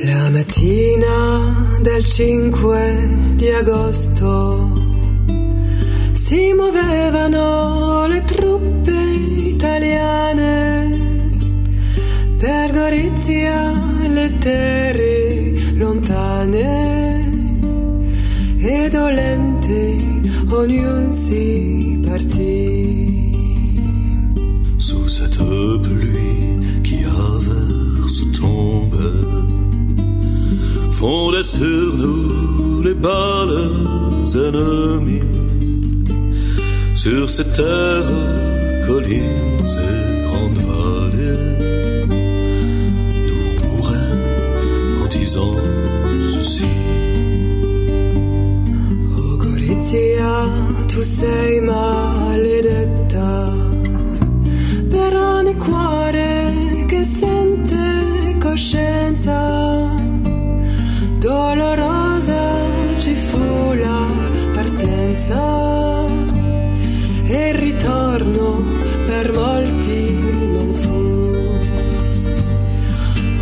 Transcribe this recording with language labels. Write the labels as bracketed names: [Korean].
[Italian] Mattina del 5 di agosto si muovevano le truppe italiane per Gorizia, le terre lontane e dolente, ognun si partì. [French] Sous cette pluie qui a verse tombe fondaient sur nous les balles ennemies, sur ces terres, collines et grandes vallées, nous mourrions en disant ceci. [Italian] Ô Gorizia, tu sei maledetta, per ogni cuore che sente coscienza. Dolorosa ci fu la partenza e il ritorno per molti non fu.